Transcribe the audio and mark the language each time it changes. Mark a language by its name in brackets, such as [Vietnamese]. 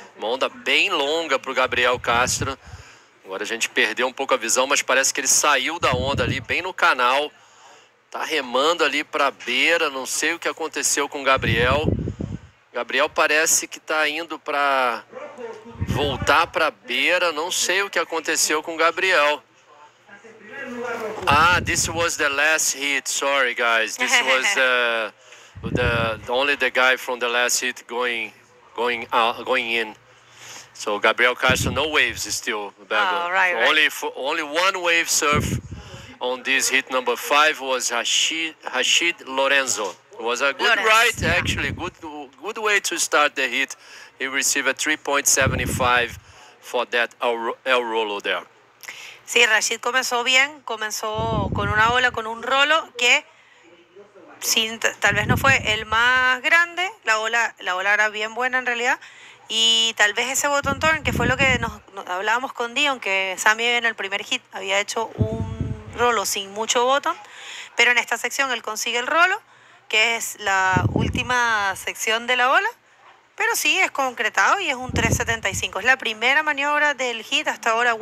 [Portuguese] Uma onda bem longa para o Gabriel Castro. Agora a gente perdeu um pouco a visão, mas parece que ele saiu da onda ali, bem no canal. Tá remando ali para a beira, não sei o que aconteceu com o Gabriel. Gabriel parece que tá indo para voltar para a beira, não sei o que aconteceu com o Gabriel. [English] Ah, this was the last hit. Sorry, guys. This was the guy from the last hit going in. So Gabriel Castro, no waves still. Right. Only one wave surf on this hit number five was Rashid Lorenzo. It was a good ride, yeah. Actually. Good way to start the hit. He received a 3.75 for that El Rolo there. [Spanish] Sí, Rashid comenzó bien, comenzó con una ola, con un rolo que sin, tal vez no fue el más grande, la ola era bien buena en realidad, y tal vez ese bottom turn, que fue lo que nos hablábamos con Dion, que Sammy en el primer hit había hecho un rolo sin mucho bottom, pero en esta sección él consigue el rolo, que es la última sección de la ola, pero sí, es concretado y es un 3.75. Es la primera maniobra del hit hasta ahora.